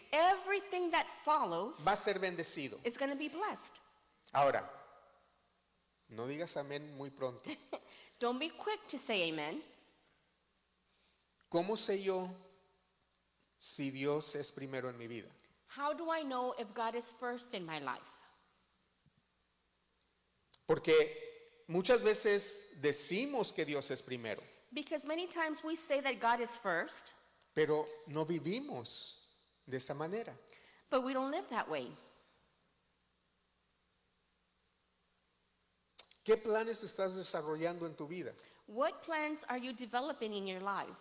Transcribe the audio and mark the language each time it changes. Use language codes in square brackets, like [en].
[en] everything that follows, [es] va a ser bendecido. [en] It's going to be blessed. [es] Ahora, no digas amén muy pronto. [en] Don't be quick to say amen. [es] ¿Cómo sé yo si Dios es primero en mi vida? [en] How do I know if God is first in my life? [es] Porque muchas veces decimos que Dios es primero. [en] Because many times we say that God is first. [es] Pero no vivimos de esa manera. [en] But we don't live that way. [es] ¿Qué planes estás desarrollando en tu vida? [en] What plans are you developing in your life?